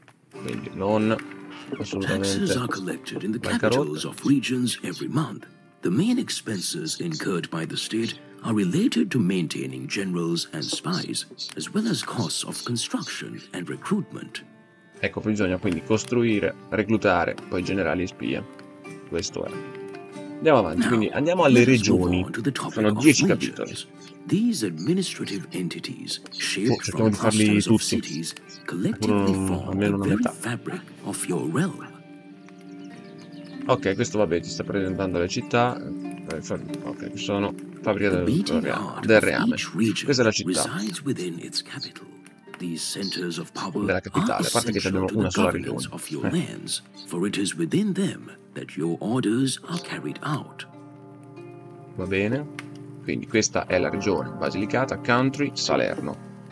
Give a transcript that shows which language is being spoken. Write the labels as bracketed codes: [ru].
[it] Quindi non assolutamente. [en] Taxes are collected in the capitals of regions every month. The main expenses incurred by the state are related to maintaining generals and spies, as well as costs of construction and recruitment. [it] Ecco, bisogna quindi costruire, reclutare, poi generali e spie. Questo è. Andiamo avanti, quindi andiamo alle regioni. Sono 10 capitoli. [en] These administrative entities, shaped from clusters of cities, collectively form the fabric of your realm. [it] Ok, questo vabbè, ti sta presentando le città. Ok, sono fabbriche del reame. Questa è la città. [en] Resides within its capital. These centers of power [it] della capitale, a parte che abbiamo una sola regione. [en] Of your lands, for it is within them that your orders are carried out. [it] Va bene. Quindi questa è la regione Basilicata, Country, Salerno.